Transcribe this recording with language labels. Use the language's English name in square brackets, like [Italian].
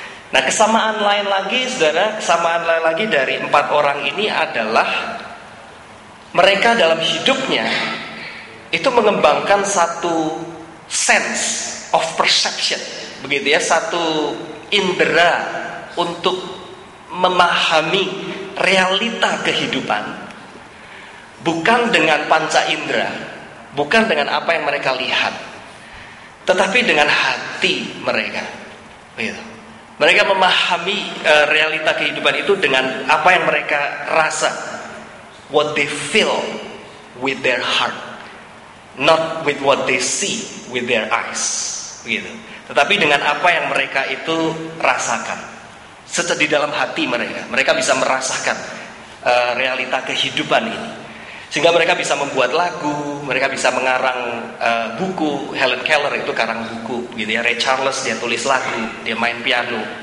[Indonesian] Nah, kesamaan lain lagi, saudara, kesamaan lain lagi dari empat orang ini adalah mereka dalam hidupnya itu mengembangkan satu [English] sense of perception, [Indonesian] begitu ya, satu indera untuk memahami realita kehidupan. Bukan dengan panca indera, bukan dengan apa yang mereka lihat, tetapi dengan hati mereka. Begitu. Mereka memahami realita kehidupan itu dengan apa yang mereka rasa. [English] What they feel with their heart, not with what they see with their eyes. [Indonesian] Begitu. Tetapi dengan apa yang mereka itu rasakan. Di dalam hati mereka, mereka bisa merasakan realita kehidupan ini. Sehingga mereka bisa membuat lagu, mereka bisa mengarang buku. Helen Keller itu karang buku, gitu ya. Ray Charles, dia tulis lagu, dia main piano.